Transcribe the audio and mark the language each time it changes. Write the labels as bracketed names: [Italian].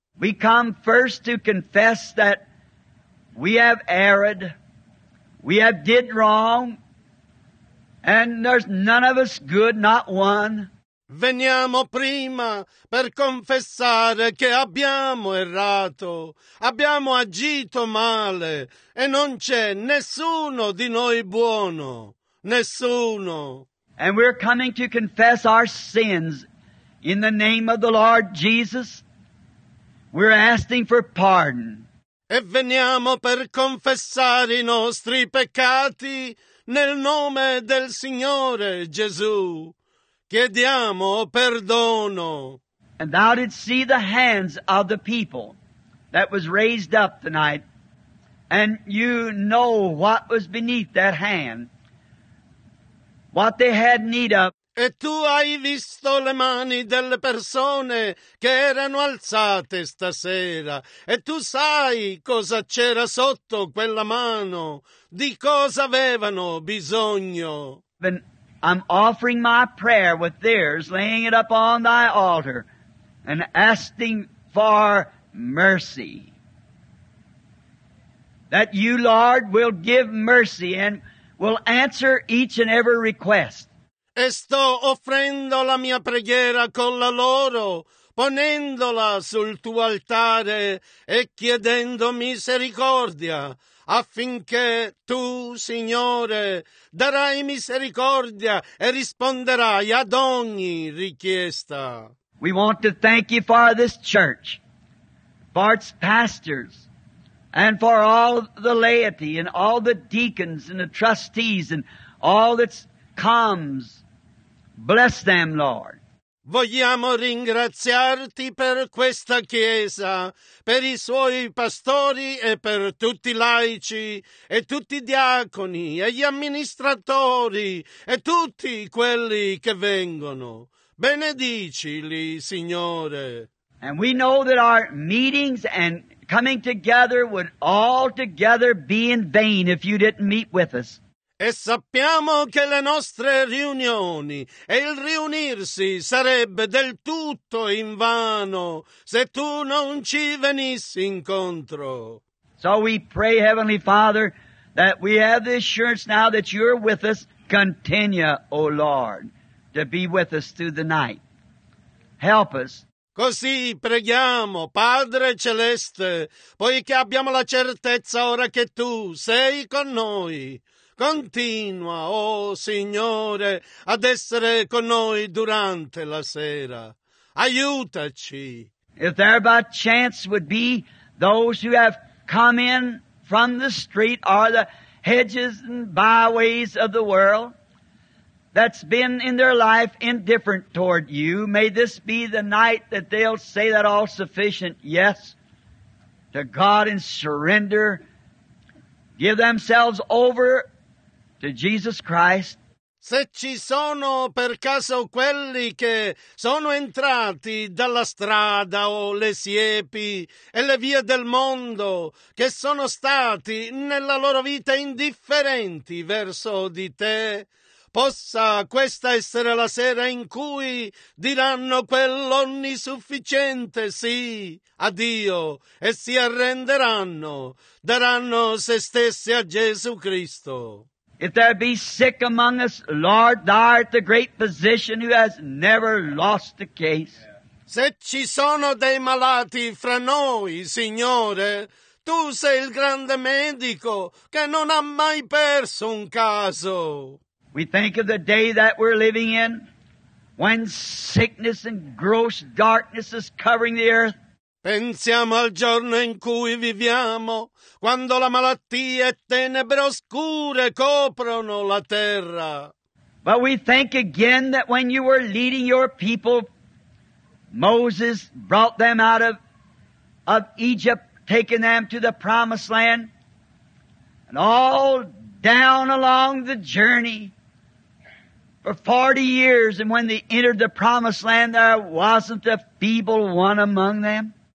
[English] We come first to confess that we have erred, we have did wrong, And there's none of us good, not one. [Italian] Veniamo prima per confessare che abbiamo errato, abbiamo agito male e non c'è nessuno di noi buono, nessuno. [English] And we're coming to confess our sins in the name of the Lord Jesus. We're asking for pardon. [Italian] E veniamo per confessare i nostri peccati nel nome del Signore Gesù. Chiediamo perdono. [English] And thou didst see the hands of the people that was raised up tonight, and you know what was beneath that hand, what they had need of. [Italian] E tu hai visto le mani delle persone che erano alzate stasera, e tu sai cosa c'era sotto quella mano, di cosa avevano bisogno. [English] Then I'm offering my prayer with theirs, laying it up on thy altar, and asking for mercy. That you, Lord, will give mercy and will answer each and every request. [Italian] E sto offrendo la mia preghiera con la loro, ponendola sul tuo altare e chiedendo misericordia, affinché tu, Signore, darai misericordia e risponderai ad ogni richiesta. [English] We want to thank you for this church, for its pastors, and for all the laity, and all the deacons, and the trustees, and all that comes. Bless them, Lord. [Italian] Vogliamo ringraziarti per questa chiesa, per i suoi pastori e per tutti i laici e tutti i diaconi e gli amministratori e tutti quelli che vengono. Benedicili, Signore. [English] And we know that our meetings and coming together would all together be in vain if you didn't meet with us. [Italian] E sappiamo che le nostre riunioni e il riunirsi sarebbe del tutto invano se tu non ci venissi incontro. [English] So we pray, Heavenly Father, that we have the assurance now that you're with us. Continue, O Lord, to be with us through the night. Help us. [Italian] Così preghiamo, Padre Celeste, poiché abbiamo la certezza ora che tu sei con noi. Continua, oh Signore, ad essere con noi durante la sera. Aiutaci. [English] If there by chance would be those who have come in from the street or the hedges and byways of the world that's been in their life indifferent toward you, may this be the night that they'll say that all-sufficient yes to God and surrender, give themselves over to Jesus Christ. [Italian] Se ci sono per caso quelli che sono entrati dalla strada o le siepi e le vie del mondo, che sono stati nella loro vita indifferenti verso di te, possa questa essere la sera in cui diranno quell'onnisufficiente sì a Dio e si arrenderanno, daranno se stessi a Gesù Cristo. [English] If there be sick among us, Lord, thou art the great physician who has never lost a case. [Italian] Se ci sono dei malati fra noi, Signore, tu sei il grande medico che non ha mai perso un caso. [English] We think of the day that we're living in, when sickness and gross darkness is covering the earth. [Italian] Pensiamo al giorno in cui viviamo, quando la malattia e tenebre oscure coprono la terra. [English] But we think again that when you were leading your people, Moses brought them out of Egypt, taking them to the promised land. And all down along the journey for 40 years, and when they entered the promised land, there wasn't a feeble one among them.